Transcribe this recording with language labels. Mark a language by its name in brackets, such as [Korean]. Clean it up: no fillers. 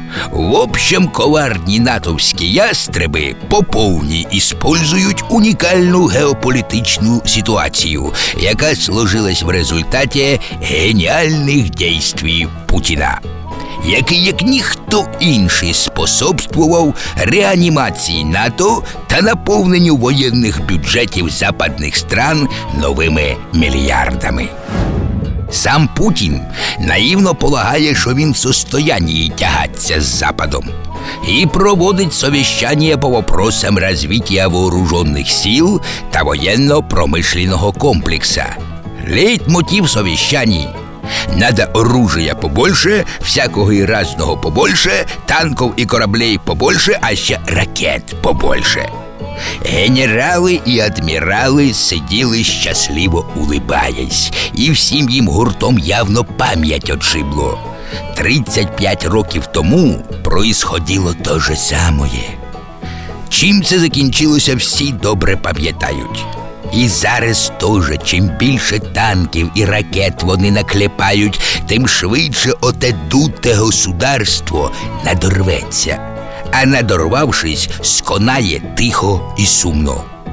[Ukrainian] В общем, коварні натовські ястреби поповні используть унікальну геополітичну ситуацію, яка сложилась в результаті геніальних дійствій Путіна, який як ніхто інший способствував реанімації НАТО та наповненню воєнних бюджетів западних стран новими мільярдами. Сам Путін наївно полагає, що він в состоянии тягатися з Западом і проводить совещання по вопросам розвитку вооруженных сил та воєнно-промышленного комплекса. [Russian] Лейтмотив совещаний: надо оружия побольше, всякого и разного побольше, танков и кораблей побольше, а еще ракет побольше. Генерали и адмиралы сидели счастливо улыбаясь, и всем им гуртом явно память отшибло. 35 років тому происходило то же самое. [Ukrainian] Чим це закінчилося, всі добре пам'ятають. І зараз тоже, чим більше танків і ракет вони наклепають, тим швидше оте дуте государство надорветься. А надорвавшись, сконає тихо і сумно.